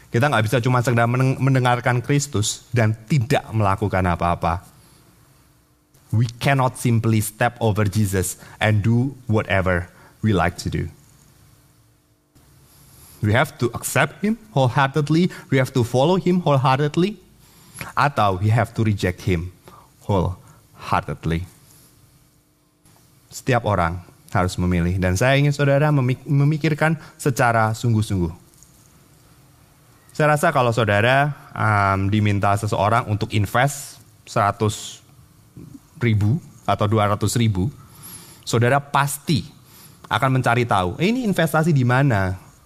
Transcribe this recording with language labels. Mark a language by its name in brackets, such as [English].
[Indonesian] Kita gak bisa cuma sekedar mendengarkan Kristus dan tidak melakukan apa-apa. [English] We cannot simply step over Jesus and do whatever we like to do. We have to accept him wholeheartedly. We have to follow him wholeheartedly. Atau we have to reject him wholeheartedly. [Indonesian] Setiap orang harus memilih. Dan saya ingin saudara memikirkan secara sungguh-sungguh. Saya rasa kalau saudara diminta seseorang untuk invest 100 ribu atau 200 ribu, saudara pasti akan mencari tahu, ini investasi di mana?